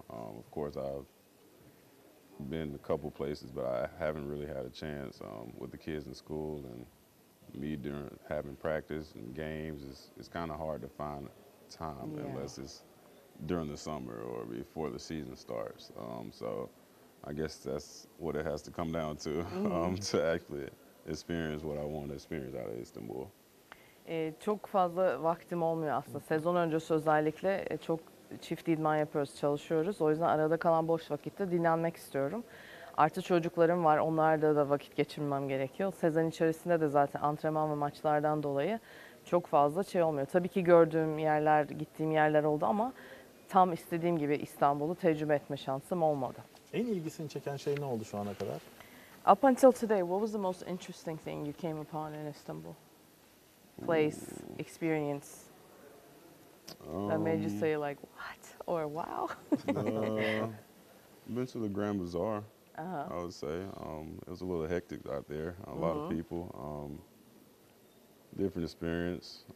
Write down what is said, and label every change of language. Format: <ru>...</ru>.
<en>Of course, I've been a couple places, but I haven't really had a chance with the kids in school and me during having practice and games. It's kind of hard to find time unless it's during the summer or before the season starts. So I guess that's what it has to come down to to actually experience what I want to experience out of Istanbul.</en> <tr>Çok fazla vaktim olmuyor aslında. Sezon öncesi özellikle çok çift idman yapıyoruz, çalışıyoruz. O yüzden arada kalan boş vakitte dinlenmek istiyorum. Artı çocuklarım var, onlarla da vakit geçirmem gerekiyor. Sezon içerisinde de zaten antrenman ve maçlardan dolayı çok fazla şey olmuyor. Tabii ki gördüğüm yerler, gittiğim yerler oldu ama tam istediğim gibi İstanbul'u tecrübe etme şansım olmadı. En ilgisini çeken şey ne oldu şu ana kadar?</tr> <en>Up until today, what was the most interesting thing you came upon in Istanbul? Place, experience that made you say like what or wow. Been to the Grand Bazaar. I would say it was a little hectic out there. A lot of people. Different experience.</en>